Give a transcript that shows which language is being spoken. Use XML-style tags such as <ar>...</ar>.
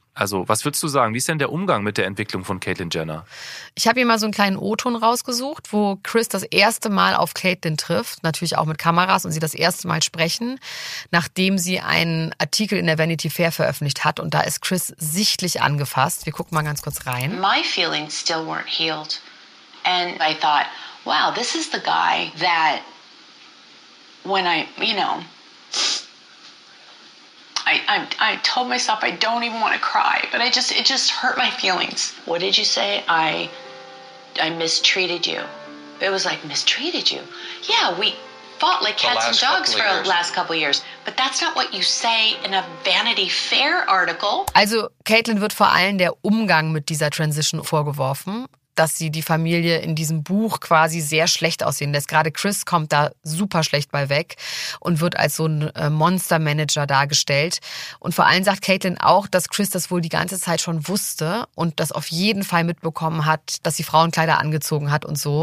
<de>Also, was würdest du sagen? Wie ist denn der Umgang mit der Entwicklung von Caitlyn Jenner? Ich habe hier mal so einen kleinen O-Ton rausgesucht, wo Chris das erste Mal auf Caitlyn trifft, natürlich auch mit Kameras, und sie das erste Mal sprechen, nachdem sie einen Artikel in der Vanity Fair veröffentlicht hat. Und da ist Chris sichtlich angefasst. Wir gucken mal ganz kurz rein.</de> <en>My feelings still weren't healed. And I thought, wow, this is the guy that when I, you know, I told myself I don't even want to cry, but it just hurt my feelings. What did you say? I mistreated you. It was like mistreated you. Yeah, we fought like cats and dogs for the last couple of years. But that's not what you say in a Vanity Fair article.</en> <de>Also, Caitlin wird vor allem der Umgang mit dieser Transition vorgeworfen, dass sie die Familie in diesem Buch quasi sehr schlecht aussehen lässt. Gerade Chris kommt da super schlecht bei weg und wird als so ein Monster-Manager dargestellt. Und vor allem sagt Caitlin auch, dass Chris das wohl die ganze Zeit schon wusste und das auf jeden Fall mitbekommen hat, dass sie Frauenkleider angezogen hat und so.</de>